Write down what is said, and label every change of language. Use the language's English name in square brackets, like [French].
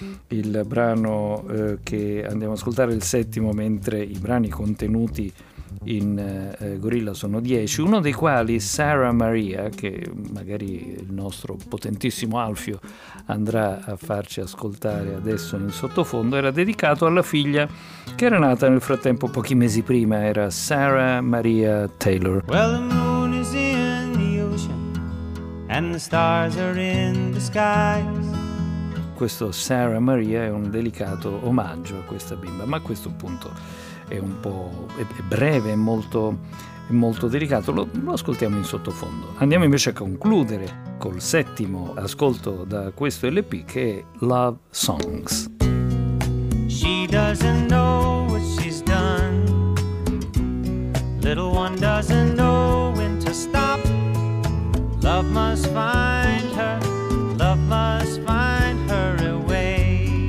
[Italian] Il brano che andiamo ad ascoltare è il 7º, mentre i brani contenuti in Gorilla sono 10, uno dei quali Sarah Maria, che magari il nostro potentissimo Alfio andrà a farci ascoltare adesso in sottofondo, era dedicato alla figlia che era nata nel frattempo pochi mesi prima. Era Sarah Maria Taylor. [English] Well, the moon is in the ocean and the stars are in the skies. [Italian] Questo Sarah Maria è un delicato omaggio a questa bimba, ma a questo punto è un po' breve, è molto delicato, lo ascoltiamo in sottofondo. Andiamo invece a concludere col 7º ascolto da questo LP, che è Love Songs. [English] She doesn't know what she's done. Little one doesn't know when to stop. Love must find her. Love must find her away.